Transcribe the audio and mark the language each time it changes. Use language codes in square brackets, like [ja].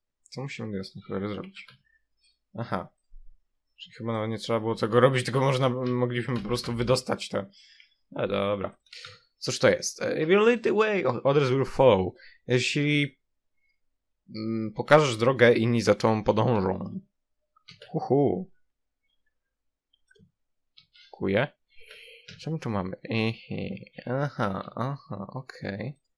[pl] Co musimy do jasnych cholery zrobić? Aha. Czyli chyba nawet nie trzeba było tego robić, tylko moglibyśmy po prostu wydostać to. No dobra. Cóż to jest? [en] If you lead the way, others will follow. [pl] Jeśli pokażesz drogę, inni za tą podążą. Huhu. Kuje. Czemu tu mamy? Ehe. Aha, aha, okej.